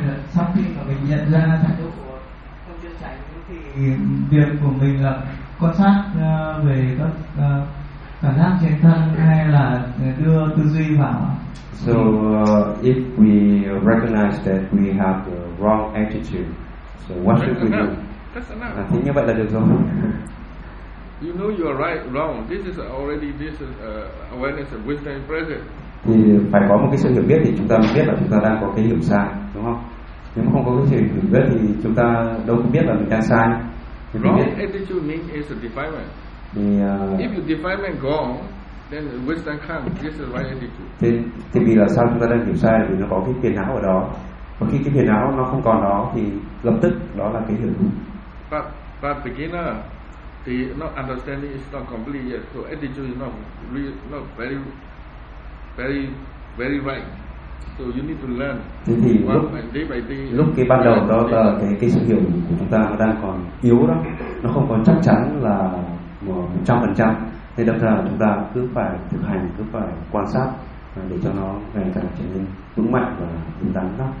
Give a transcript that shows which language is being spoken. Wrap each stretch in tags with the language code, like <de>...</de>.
<vi>Sau khi mà mình nhận ra thái độ không chân chánh thì việc của mình là quan sát về các cảm giác trên thân hay là đưa tư duy vào.</vi> <en>So if we recognize that we have the wrong attitude, so what should we do? That's enough.</en> <vi>Như vậy là được rồi.</vi> <en>You know you are right, wrong. This is already this is awareness of wisdom and present.</en> <vi>Thì phải có một cái sự hiểu biết thì chúng ta mới biết là chúng ta đang có cái hiểu sai, đúng không? Nếu mà không có cái sự hiểu biết thì chúng ta đâu có biết là mình đang sai.</vi> <en>Wrong attitude means it's a defilement.</en> <vi>Thì,</vi> <en>if you defilement gone, then wisdom comes. This is the right attitude.</en> <vi>Thì vì là sao chúng ta đang hiểu sai? Vì nó có cái phiền não ở đó. Và khi cái phiền não nó không còn đó thì lập tức đó là cái hiểu đúng.</vi> <en>But beginner, the not understanding is not complete yet. So attitude is not real, not very, very, very right. So you need to learn.</en> <vi>Thế thì lúc cái ban đầu đó là cái sự hiểu của chúng ta nó đang còn yếu đó, nó không còn chắc chắn là 100%. Thế đâm ra chúng ta cứ phải thực hành, cứ phải quan sát để cho nó ngày càng trở nên vững mạnh và đúng đắn đó.</vi>